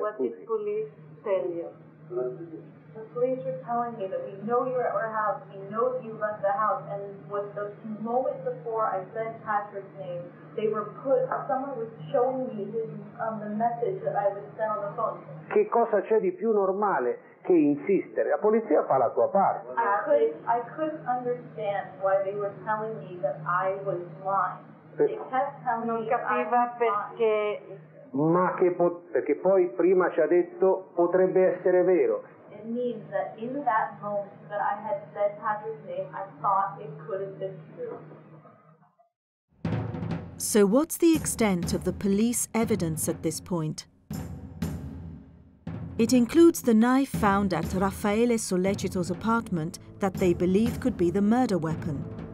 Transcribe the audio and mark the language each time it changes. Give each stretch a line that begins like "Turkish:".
English: What did the police tell you? The police were telling me that we know you're at our house, we know you left the house, and with the moment before I said Patrick's name, they were put, someone was showing me his, the message that I would send on the phone.
Italian: Che cosa c'è di più normale che insistere? La polizia fa la sua parte.
English: I couldn't understand why they were telling me that I was lying.
Italian: Non capiva perché... Ma che perché poi prima ci ha detto potrebbe essere vero.
English: It means that in that moment that I had said Patrick's name, I thought it could have been true. So what's the extent of the police evidence at this point? It includes the knife found at Raffaele Sollecito's apartment that they believe could be the murder weapon.